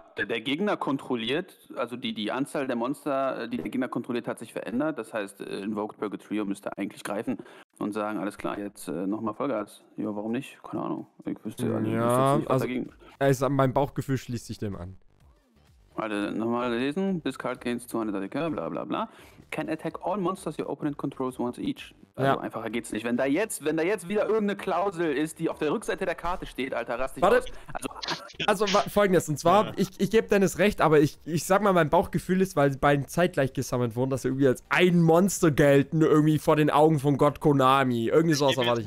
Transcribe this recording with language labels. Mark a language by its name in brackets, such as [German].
[German] Der Gegner kontrolliert, also die Anzahl der Monster, die der Gegner kontrolliert, hat sich verändert. Das heißt, Invoked Purgatrio müsste eigentlich greifen und sagen, alles klar, jetzt nochmal Vollgas. Ja, warum nicht? Keine Ahnung. Ich wüsste ja, ich wüsste jetzt nicht, was also, dagegen. Mein Bauchgefühl schließt sich dem an. Warte, nochmal lesen. [English] This card gains 200 AK, bla bla bla. Can attack all monsters your opponent controls once each. [German] Also ja. Einfacher geht's nicht. Wenn da jetzt wieder irgendeine Klausel ist, die auf der Rückseite der Karte steht, Alter, rast dich aus. Warte. Also folgendes. Und zwar, ich gebe Dennis recht, aber ich sag mal, mein Bauchgefühl ist, weil die beiden zeitgleich gesammelt wurden, dass sie irgendwie als ein Monster gelten, irgendwie vor den Augen von Gott Konami. Irgendwie sowas erwarte ich